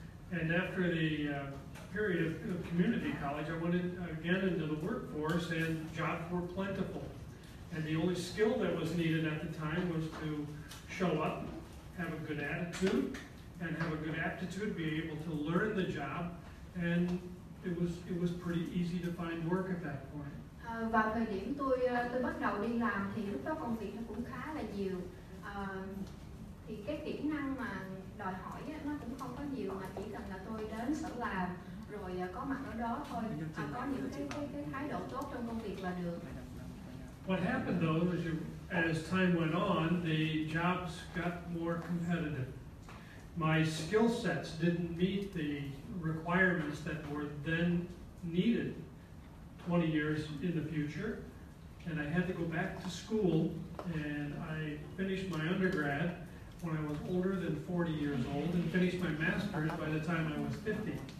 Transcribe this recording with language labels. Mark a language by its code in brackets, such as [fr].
[en] And after the period of community college, I went again into the workforce, and jobs were plentiful. And the only skill that was needed at the time was to show up, have a good attitude, and have a good aptitude, be able to learn the job, and it was pretty easy to find work at that point. [vi] Vào thời điểm tôi bắt đầu đi làm thì lúc đó công việc nó cũng khá là nhiều. Thì cái kỹ năng mà đòi hỏi nó cũng không có nhiều, mà chỉ cần là tôi đến sở làm rồi có mặt ở đó thôi, có những cái thái độ tốt trong công việc là được. [en] What happened though is as time went on, the jobs got more competitive. My skill sets didn't meet the requirements that were then needed 20 years in the future, and I had to go back to school, and I finished my undergrad when I was older than 40 years old, and finished my master's by the time I was 50.